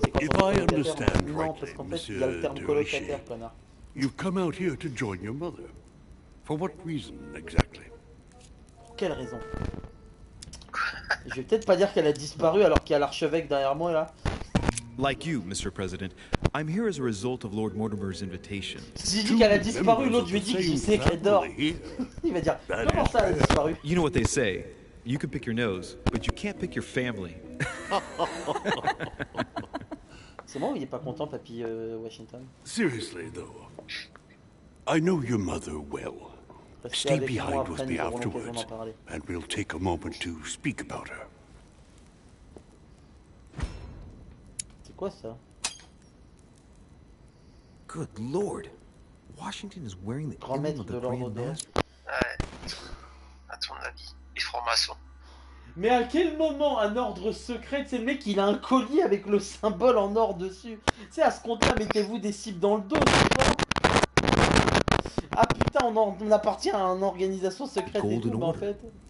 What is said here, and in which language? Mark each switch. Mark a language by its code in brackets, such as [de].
[en] So, if I understand rightly, you've come out here to join your mother. For what reason exactly? [fr] Pour quelle raison? Je vais peut-être pas dire qu'elle a disparu alors qu'il y a l'archevêque derrière moi là. [en] Like you, Mr. President, I'm here as a result of Lord Mortimer's invitation. [fr] Si je dis qu'elle a disparu, l'autre lui dit que je sais qu'elle dort. Il va dire comment ça elle a disparu? [en] You know what they say, you can pick your nose, but you can't pick your family. [fr] C'est bon, il est pas content, papy Washington. [en] Seriously though, I know your mother well. Stay behind with me afterwards, and we'll take a moment to speak about her. [fr] C'est quoi ça? [en] Good Lord, Washington is wearing the emblem of the Grand [fr] Master. Ouais. À ton avis, les francs-maçons. Mais à quel moment un ordre secret, c'est le mec, il a un collier avec le symbole en or dessus. C'est à ce compte-là, mettez-vous des cibles dans le dos. Ah putain, on appartient à une organisation secrète et tout, mais en fait.